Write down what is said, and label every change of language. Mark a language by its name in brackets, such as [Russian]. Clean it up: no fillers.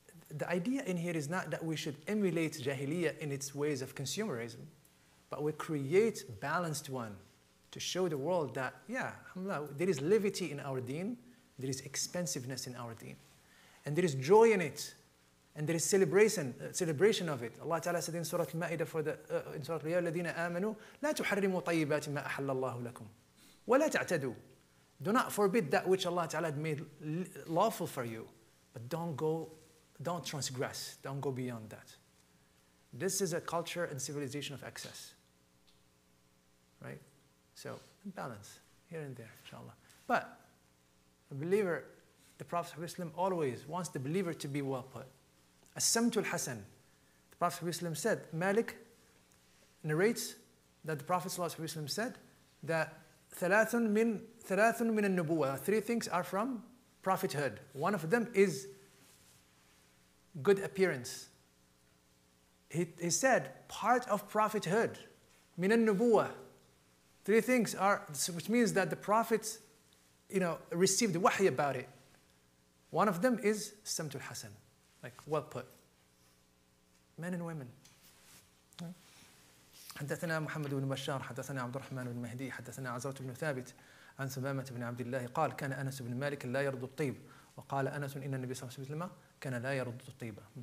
[English] The idea in here is not that we should emulate Jahiliyyah in its ways of consumerism, but we create a balanced one to show the world that, yeah, alhamdulillah, there is levity in our deen, there is expensiveness in our deen, and there is joy in it. And there is celebration of it. Allah Ta'ala said in Surah Al-Ma'idah in Surah Al-Yaw, [Arabic] الَّذِينَ آمَنُوا لَا تُحَرِّمُوا طَيِّبَاتِ مَا أَحَلَّ اللَّهُ لَكُمْ وَلَا تَعْتَدُوا. [English] Do not forbid that which Allah Ta'ala had made lawful for you. But don't transgress, don't go beyond that. This is a culture and civilization of excess. Right? So, balance, here and there, inshallah. But a believer, the Prophet ﷺ always wants the believer to be well put. As-samtu al-hasan, the Prophet ﷺ said, Malik narrates that the Prophet ﷺ said that thalathun min al-nubuwa, three things are from prophethood. One of them is good appearance. He said, part of prophethood, min al-nubuwa, three things are, which means that the Prophet, you know, received wahi about it. One of them is as-samtu al-hasan, like well put. Men and women. [Arabic] حدثنا محمد بن بشار حدثنا عبد الرحمن بن مهدي حدثنا عزوة بن ثابت عن سمامة بن عبد الله قال كان أنس بن مالك لا يرد الطيب وقال أنس إن النبي صلى الله عليه وسلم كان لا يرد الطيب.